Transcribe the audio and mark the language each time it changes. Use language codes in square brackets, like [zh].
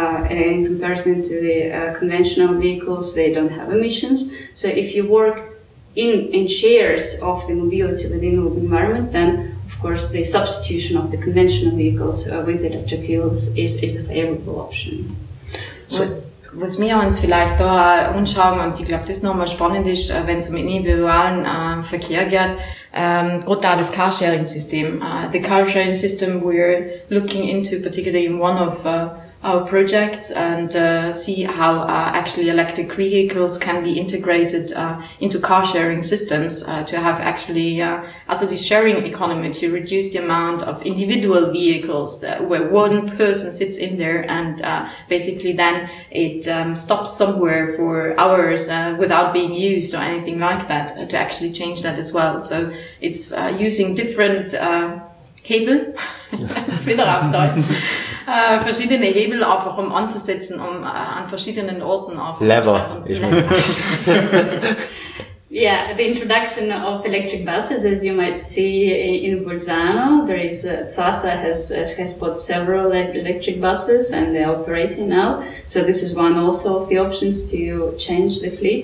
[en] In comparison to the conventional vehicles, they don't have emissions. So if you work in shares of the mobility within the environment, then of course the substitution of the conventional vehicles with electric vehicles is a favorable option. [de] So was wir uns vielleicht da anschauen, und ich glaube, das nochmal spannend ist, wenn es um individualen Verkehr geht, gerade da das Carsharing-System. [en] The Carsharing System we're looking into, particularly in one of our projects, and see how actually electric vehicles can be integrated into car sharing systems to have actually also the sharing economy, to reduce the amount of individual vehicles that, where one person sits in there and basically then it stops somewhere for hours without being used or anything like that, to actually change that as well. So it's using different [de] Hebel, jetzt wieder auf Deutsch, verschiedene Hebel einfach um anzusetzen, um an verschiedenen Orten auf. [en] Lever. Yeah, the introduction of electric buses, as you might see in Bolzano, there is Sasa has bought several electric buses and they're operating now. So this is one also of the options to change the fleet.